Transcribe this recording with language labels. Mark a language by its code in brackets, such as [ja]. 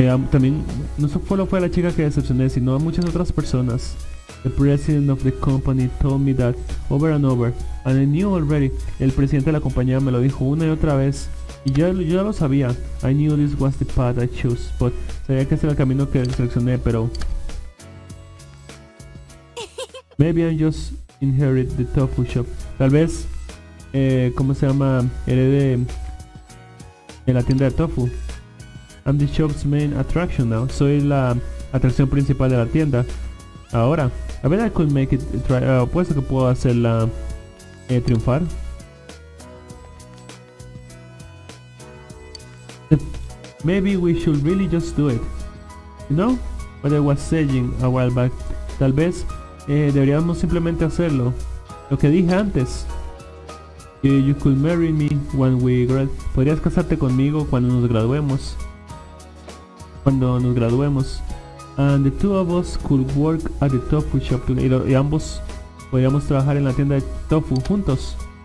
[es] También no solo fue la chica que decepcioné, sino a muchas otras personas. [en] The president of the company told me that over and over, and I knew already. [es] El presidente de la compañía me lo dijo una y otra vez, y yo lo sabía. [en] I knew this was the path I chose, but [es] sabía que este era el camino que seleccioné, pero [en] maybe I just inherit the tofu shop. [es] Tal vez ¿cómo se llama? Heredé en la tienda de tofu. [en] I'm the shop's main attraction now. [es] Soy la atracción principal de la tienda ahora. A ver, [en] I could make it try. [es] Apuesto que puedo hacerla triunfar. [en] Maybe we should really just do it. You know what I was saying a while back. [es] Tal vez deberíamos simplemente hacerlo. Lo que dije antes. [en] You could marry me when we graduate. [es] Podrías casarte conmigo cuando nos graduemos. [en] And the two of us could work at the tofu shop together. [es] Y ambos podríamos trabajar en la tienda de tofu juntos.